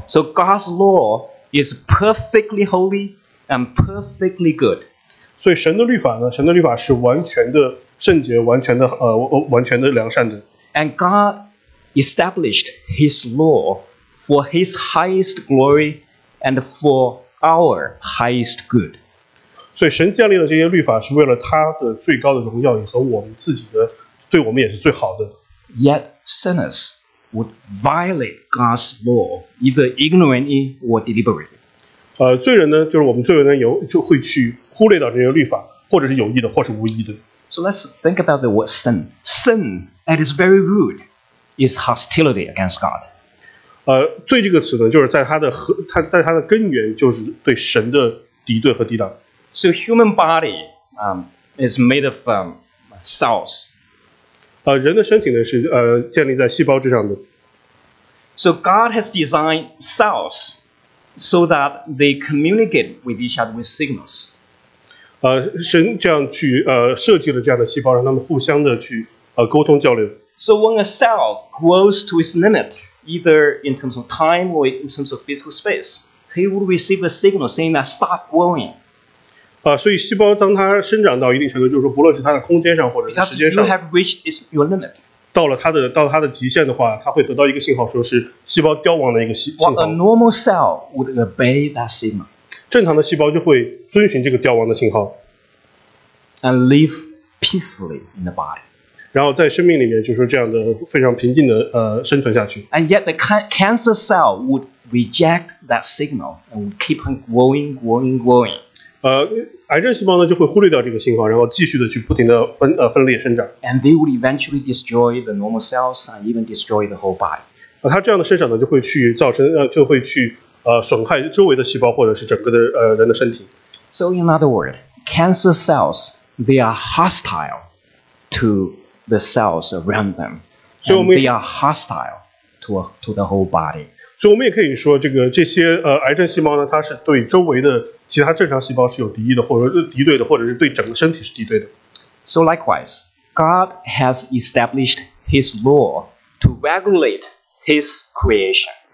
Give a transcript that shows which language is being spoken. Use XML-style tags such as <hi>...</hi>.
<en>So God's law is perfectly holy and perfectly good.</en> <zh>所以神的律法呢？神的律法是完全的圣洁，完全的完全的良善的。</zh> <en>And God established His law for His highest glory and for our highest good.</en> <zh>所以神建立的这些律法是为了他的最高的荣耀，也和我们自己的，对我们也是最好的。</zh> <en>Yet sinners would violate God's law either ignorantly or deliberately.</en> <zh>罪人呢，就是我们罪人呢，就会去。忽略到这些律法，或者是有意的，或是无意的。</zh> <en>So let's think about the word sin. Sin at its very root is hostility against God.</en> <zh>罪这个词呢，就是在它的根源就是对神的敌对和抵挡。</zh> <en>So human body is made of cells.</en> <zh>人的身体呢是建立在细胞之上的。</zh> <en>So God has designed cells so that they communicate with each other with signals.</en> <zh>神这样去设计了这样的细胞，让他们互相的去沟通交流。</zh> <en>So when a cell grows to its limit, either in terms of time or in terms of physical space, he will receive a signal saying that stop growing.</en> <zh>所以细胞当它生长到一定程度，就是说不论是它的空间上或者是时间上，</zh> <en>Because you have reached your limit.</en> <zh>到了它的极限的话，它会得到一个信号，说是细胞凋亡的一个信号。</zh> <en>Well, a normal cell would obey that signal.</en> <zh>正常的细胞就会遵循这个凋亡的信号</zh> <en>，and live peacefully in the body.</en> <zh>然后在生命里面就是这样的非常平静的生存下去。</zh> <en>And yet the cancer cell would reject that signal and would keep on growing, growing, growing.</en> <zh>癌症细胞呢就会忽略掉这个信号，然后继续的去不停的分裂生长。</zh> <en>And they would eventually destroy the normal cells and even destroy the whole body.</en> <zh>它这样的生长呢就会去造成就会去。损害周围的细胞或者是整个的人的身体。</zh> <en>So in other words, cancer cells, they are hostile to the cells around them. And they are hostile to the whole body.</en> <zh>所以我们也可以说这些癌症细胞呢，它是对周围的其他正常细胞是有敌意的，或者是敌对的，或者是对整个身体是敌对的。</zh> <en>So likewise, God has established his law to regulate his creation.</en>